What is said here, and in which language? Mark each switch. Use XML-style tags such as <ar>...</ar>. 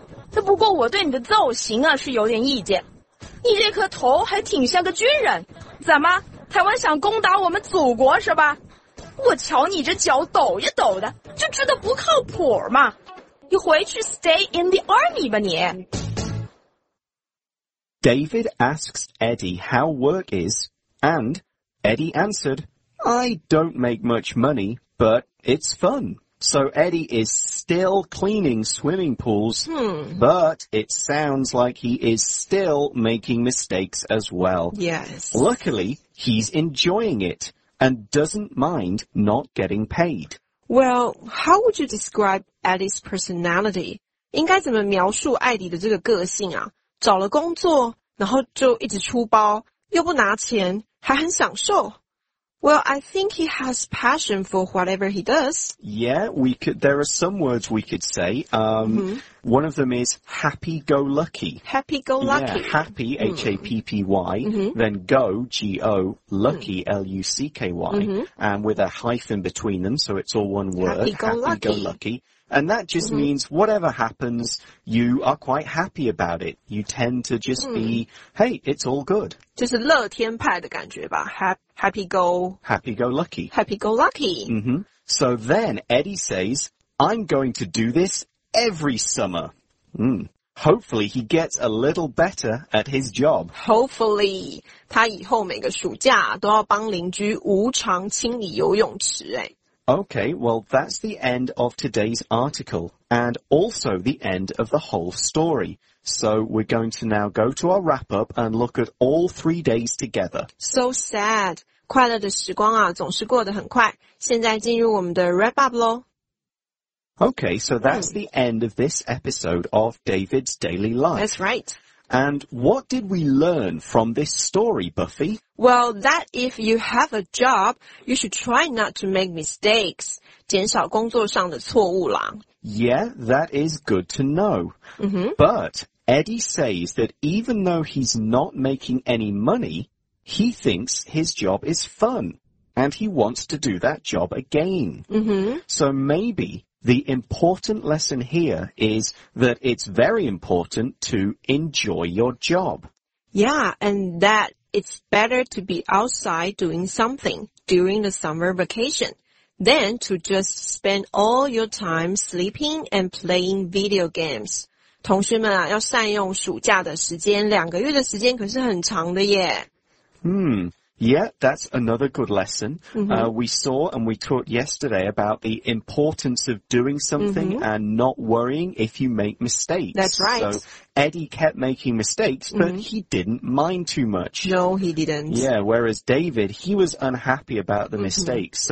<zh>不过我对你的造型啊是有点意见，你这颗头还挺像个军人，怎么台湾想攻打我们祖国是吧？我瞧你这脚抖呀抖的，就知道不靠谱嘛。你回去</zh> <en>stay in the army</en> <zh>吧你。</zh> <en>David asks Eddie how work is, and Eddie answered, I don't make much money, but it's fun. So Eddie is still cleaning swimming pools, but it sounds like he is still making mistakes as well. Yes. Luckily, he's enjoying it and doesn't mind not getting paid. Well, how would you describe Eddie's personality?</en> <zh>应该怎么描述艾迪的这个个性啊？找了工作，然后就一直出包，又不拿钱，还很享受。</zh> <en>Well, I think he has passion for whatever he does. Yeah, there are some words we could say. One of them is happy-go-lucky. Happy-go-lucky. Yeah, happy, H-A-P-P-Y, then go, G-O, lucky, L-U-C-K-Y, and with a hyphen between them, so it's all one word, happy-go-lucky. And that just means whatever happens, you are quite happy about it. You tend to just be, hey, it's all good.</en> <zh>就是乐天派的感觉吧。Happy go lucky.</zh> <en>Happy go lucky. So then Eddie says, I'm going to do this every summer. Hopefully he gets a little better at his job. Hopefully.</en> <zh>他以后每个暑假都要帮邻居无偿清理游泳池诶。</zh> <en>Okay, well, that's the end of today's article, and also the end of the whole story. So we're going to now go to our wrap-up and look at all 3 days together. So sad.</en> <zh>快乐的时光啊，总是过得很快。现在进入我们的 wrap-up 咯。</zh> <en>Okay, so that's the end of this episode of David's Daily Life. That's right. And what did we learn from this story, Buffy? Well, that if you have a job, you should try not to make mistakes.</en> <zh>减少工作上的错误啦。</zh> <en>Yeah, that is good to know. But Eddie says that even though he's not making any money, he thinks his job is fun, and he wants to do that job again. So maybe... The important lesson here is that it's very important to enjoy your job. Yeah, and that it's better to be outside doing something during the summer vacation than to just spend all your time sleeping and playing video games.</en> <zh>同学们啊，要善用暑假的时间，两个月的时间可是很长的耶。</zh> <en>Yeah, that's another good lesson. We saw and we talked yesterday about the importance of doing something and not worrying if you make mistakes. That's right. So Eddie kept making mistakes, but he didn't mind too much. No, he didn't. Yeah, whereas David, he was unhappy about the mistakes.</en>